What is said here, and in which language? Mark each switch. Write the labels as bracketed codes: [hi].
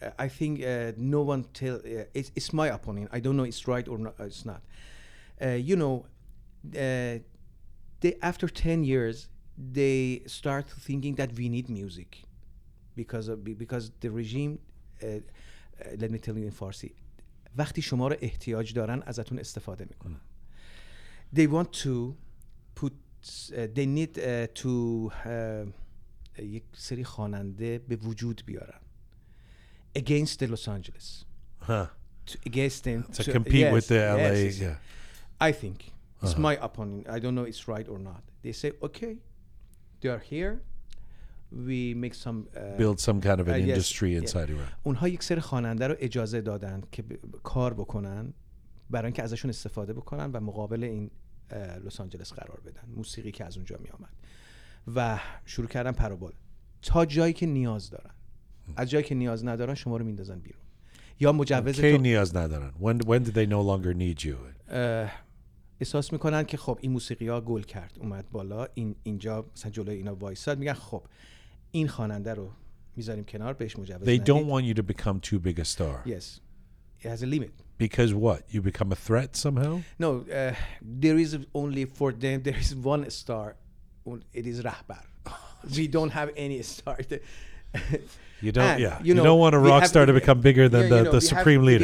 [en] I think no one tell it's my opinion. I don't know it's right or not. It's not. You know, after 10 years, they start thinking that we need music because the regime. Let me tell you in Farsi. [fa] وقتی شما رو احتیاج دارن ازتون استفاده میکنن. [en] They want to put they need to [fa] یک سری خواننده به وجود بیارن [en] against the Los Angeles. Against them to compete with the LA. I think it's my opinion. I don't know if it's right or not. They say okay, they are here. We make some build some kind of an industry inside Iran. [fa] اونها یک سری خواننده رو اجازه دادن که کار بکنن برای اینکه ازشون استفاده بکنن و مقابل این لس آنجلس قرار بدن موسیقی که از اونجا می اومد و شروع کردن پروبال تا جایی که نیاز دارن. از جایی که نیاز ندارن شما رو میندازن بیرون یا مجوز تو نیاز ندارن. [en] When did they no longer need you? [fa] احساس میکنن که خب این موسیقی ها گل کرد اومد بالا اینجا مثلا جلوی اینا وایساد میگن خب این خواننده رو میذاریم کنار بهش مجوز ندید. [en] They don't want you to become too big a star. Yes. It has a limit. Because what? You become a threat somehow? No. There is only for them, there is one star. It is Rahbar. We don't have any star. You don't, yeah. You know, don't want a rock star to become bigger than the supreme leader.